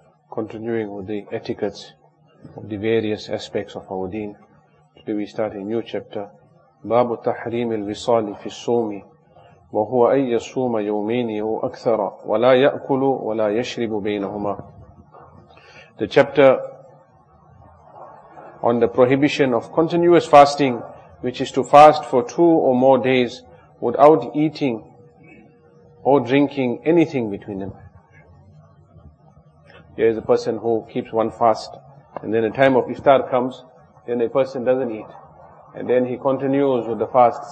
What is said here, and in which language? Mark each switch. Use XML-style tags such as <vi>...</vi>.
<en>Continuing with the etiquettes of the various aspects of our deen. Today we start a new chapter.</en> <ar>باب تحريم الوصال في الصوم وهو أن يصوم يومين أو أكثر ولا يأكل ولا يشرب بينهما.</ar> <en>The chapter on the prohibition of continuous fasting, which is to fast for two or more days without eating or drinking anything between them. There is a person who keeps one fast, and then the time of iftar comes, then a person doesn't eat, and then he continues with the fast.</en>